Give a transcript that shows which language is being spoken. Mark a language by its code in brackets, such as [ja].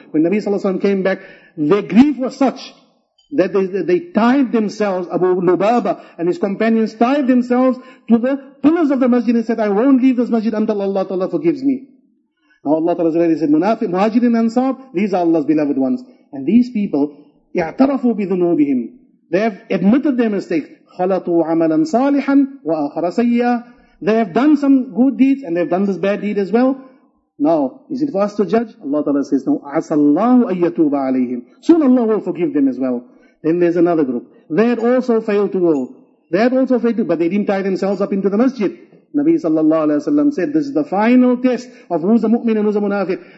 [en] When Nabi Sallallahu Alaihi Wasallam came back, their grief was such that they tied themselves, Abu Lubaba and his companions tied themselves to the pillars of the masjid and said, I won't leave this masjid until Allah Ta'ala forgives me. Now Allah Ta'ala already said, Munafiq, Muhajirin Ansar, these are Allah's beloved ones. And these people, [ar] اعترفوا بذنوبهم. [en] They have admitted their mistakes. [ar] خَلَطُوا عَمَلًا صَالِحًا وَآخَرَ سَيِّئًا. [en] They have done some good deeds and they have done this bad deed as well. Now, is it for us to judge? Allah Ta'ala says, no. [ar] عَسَى اللَّهُ أَن يَتُوبَ عَلَيْهِمْ. [en] Soon Allah will forgive them as well. Then there's another group. They had also failed to go. They had also failed to go, but they didn't tie themselves up into the masjid. Nabi Sallallahu Alaihi Wasallam said, this is the final test of who's a mu'min and who's a munafiq.